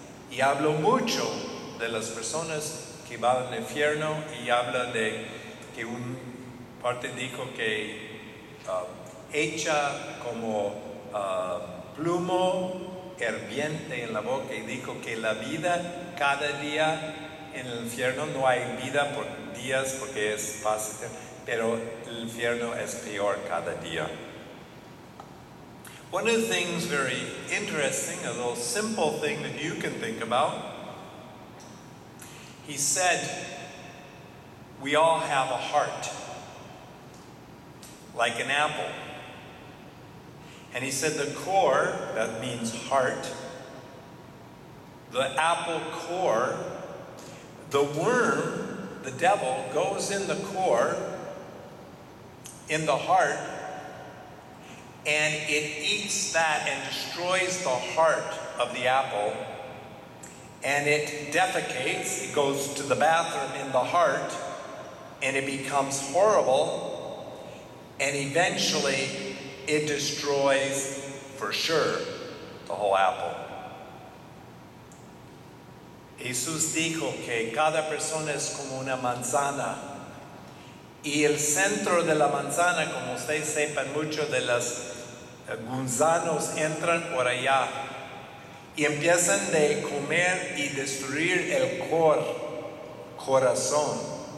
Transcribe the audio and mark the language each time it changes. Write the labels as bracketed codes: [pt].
[es] Y hablo mucho de las personas que van al infierno, y habla de que un parte dijo que echa como plumo herviente en la boca, y dijo que la vida cada día en el infierno, no hay vida por días porque es fácil, pero el infierno es peor cada día. [en] One of the things very interesting, a little simple thing that you can think about, he said, we all have a heart, like an apple. And he said the core, that means heart, the apple core, the worm, the devil, goes in the core, in the heart, and it eats that and destroys the heart of the apple, and it defecates, it goes to the bathroom in the heart, and it becomes horrible, and eventually it destroys, for sure, the whole apple. [es] Jesús dijo que cada persona es como una manzana. Y el centro de la manzana, como ustedes sepan, muchos de los gusanos entran por allá y empiezan de comer y destruir el corazón.